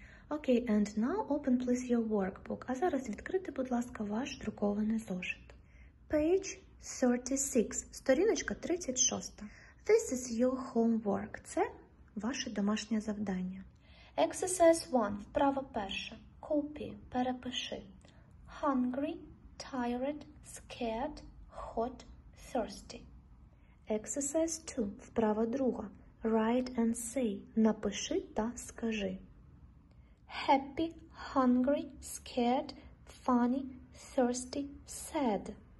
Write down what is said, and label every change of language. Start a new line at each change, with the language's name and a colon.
English: Okay, and now open please your workbook.
Ukrainian: А зараз відкрийте, будь ласка, ваш друкований зошит.
English: Page 36.
Ukrainian: Сторіночка 36.
English: This is your homework.
Ukrainian: Це ваше домашнє завдання.
English: Exercise 1.
Ukrainian: Вправа перша.
English: Copy.
Ukrainian: Перепиши.
English: Hungry, tired, scared, hot, thirsty. Exercise 2.
Ukrainian: Вправа друга.
English: Write and say.
Ukrainian: Напиши та скажи.
English: Happy, hungry, scared, funny, thirsty, sad.